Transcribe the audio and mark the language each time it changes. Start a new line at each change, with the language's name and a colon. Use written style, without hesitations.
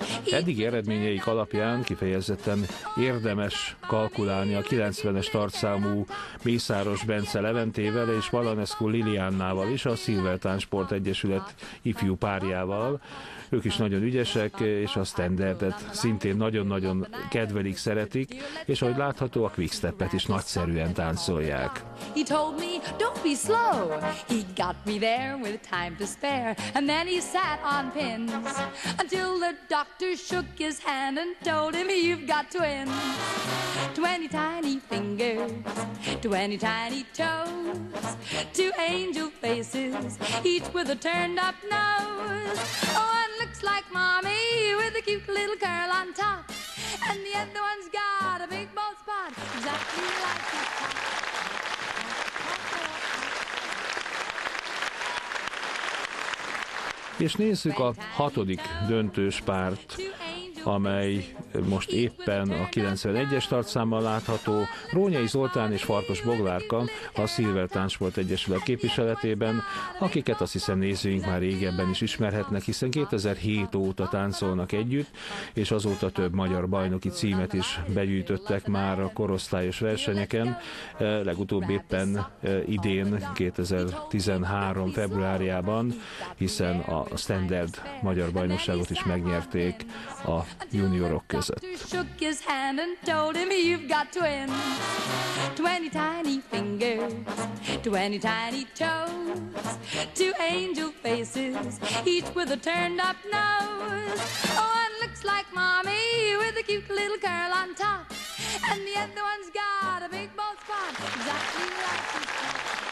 Hungarian: Eddig eredményeik alapján kifejezetten érdemes kalkulálni a 90-es startszámú Mészáros Bence Leventével és Balanescu Liliannával is, a Silver Táncsport Egyesület ifjú párjával. Ők is nagyon ügyesek, és a standardet szintén nagyon-nagyon kedvelik, szeretik, és ahogy látható, a quicksteppet is nagyszerűen táncolják.
English: He told me, don't be slow, he got me there with time to spare, and then he sat on pins, until the doctor shook his hand and told him, you've got twins, 20 tiny fingers, 20 tiny toes, 2 angel faces, each with a turned up nose. One looks like mommy with a cute little curl on top, and the other one's got a big bald spot, exactly like his top.
Hungarian: És nézzük a hatodik döntős párt, amely most éppen a 91-es tartszámmal látható, Rónyai Zoltán és Farkas Boglárka, a Silver Táncsport Egyesület képviseletében, akiket azt hiszem nézőink már régebben is ismerhetnek, hiszen 2007 óta táncolnak együtt, és azóta több magyar bajnoki címet is begyűjtöttek már a korosztályos versenyeken, legutóbb éppen idén, 2013 februárjában, hiszen a Standard magyar bajnokságot is megnyerték a juniorok között.
English: Shook his hand and told him you've got twins, 20 tiny fingers, 20 tiny toes, 2 angel faces, each with a turned up nose. One looks like mommy with a cute little curl on top, and the other one's got a big bald spot, exactly like his dad.